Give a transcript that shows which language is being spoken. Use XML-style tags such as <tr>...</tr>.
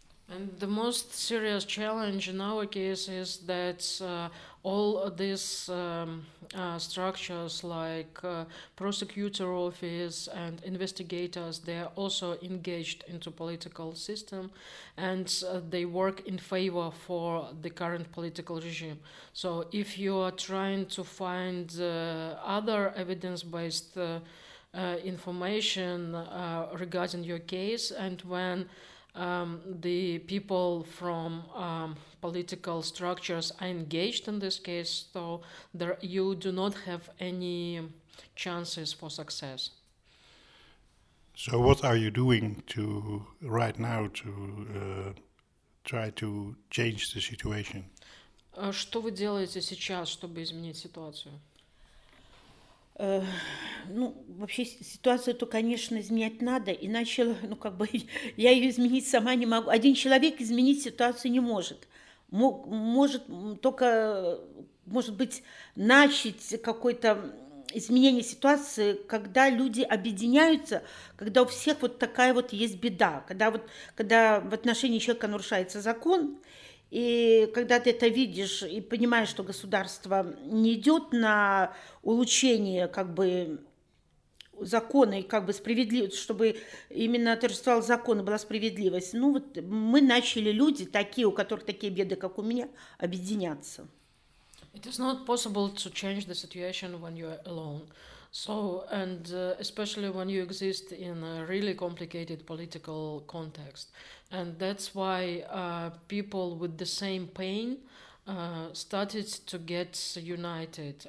<en>And the most serious challenge in our case is that all these structures like prosecutor office and investigators, they are also engaged into political system and they work in favor for the current political regime. So if you are trying to find other evidence-based information regarding your case, and when the people from political structures are engaged in this case, so there you do not have any chances for success. So what are you doing to right now to try to change the situation?</en> <ru>Что вы делаете сейчас, чтобы изменить ситуацию? Ну, вообще ситуацию-то, конечно, изменять надо, иначе, ну, как бы, я ее изменить сама не могу. Один человек изменить ситуацию не может. Может только, может быть, начать какое-то изменение ситуации, когда люди объединяются, когда у всех вот такая вот есть беда, когда в отношении человека нарушается закон, и когда ты это видишь и понимаешь, что государство не идет на улучшение как бы закона и как бы справедливость, чтобы именно торжествовал закон и была справедливость. Ну вот мы начали люди, такие, у которых такие беды, как у меня, объединяться.</ru> <en>It is not possible to change the situation when you are alone. So, and especially when you exist in a really complicated political context. And that's why people with the same pain started to get united.</en>